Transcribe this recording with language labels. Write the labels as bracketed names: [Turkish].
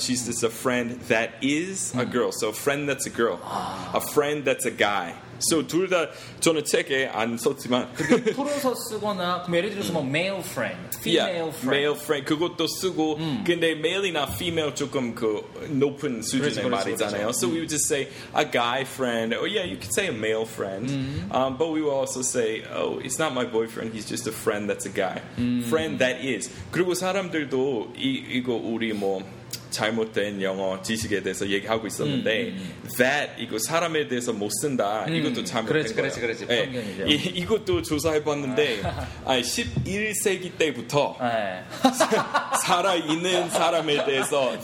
[English] She's just a friend that is a girl. So a friend that's a girl. 아. A friend that's a guy. [Korean] So 둘 다 저는 책에 안 썼지만 프로서 쓰거나 예를 들어서 뭐 male friend, female [English] yeah, friend, [Korean] male friend 그것도 쓰고 근데 male이나 female 조금 그 높은 수준의 그렇죠, 말이잖아요. 그렇죠. [English] So we would just say a guy friend. Oh yeah, you could say a male friend. But we would also say, oh, it's not my boyfriend. He's just a friend. That's a guy. Friend that is. [Korean] 그리고 사람들도 이거 우리 뭐 잘못된 영어 지식에 대해서 얘기하고 있었는데 that 이거 사람에 대해서 못 쓴다 이것도 잘못된 거예요 그렇지, 그렇지. 네. 이것도 조사해봤는데 아. 11세기 때부터 살아있는 사람에 대해서 네.